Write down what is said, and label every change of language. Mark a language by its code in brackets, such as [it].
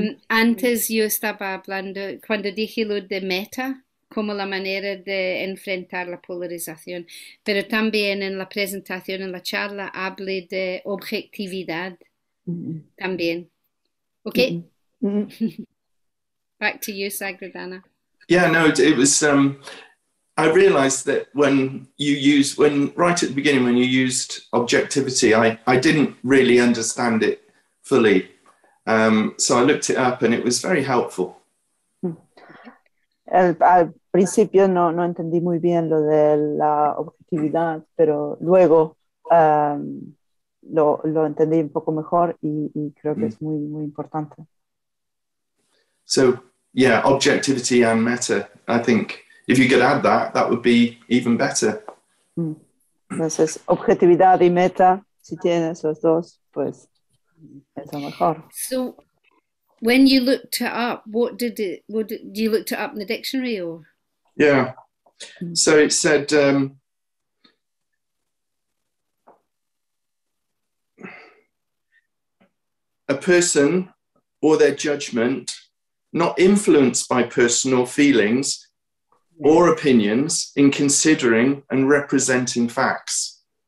[es] Antes yo estaba hablando, cuando dije lo de meta, como la manera de enfrentar la polarización, pero también en la presentación, en la charla, hablé de objetividad también. [en] Okay. Mm-hmm. Back to you, Sagradana. Yeah, no, it was, I realized that right at the beginning, when you used objectivity, I didn't really understand it fully. So I looked it up and it was very helpful. [es] Al principio no entendí muy bien lo de la objetividad, pero luego lo entendí un poco mejor y creo que es muy, muy importante. [en] So, yeah, objectivity and meta. I think if you could add that, that would be even better. [es] Entonces, objetividad y meta, si tienes los dos, pues es lo mejor. [en] So, when you looked it up, what did it, what did you look it up in the dictionary or? Yeah. So it said, a person or their judgment not influenced by personal feelings or opinions in considering and representing facts.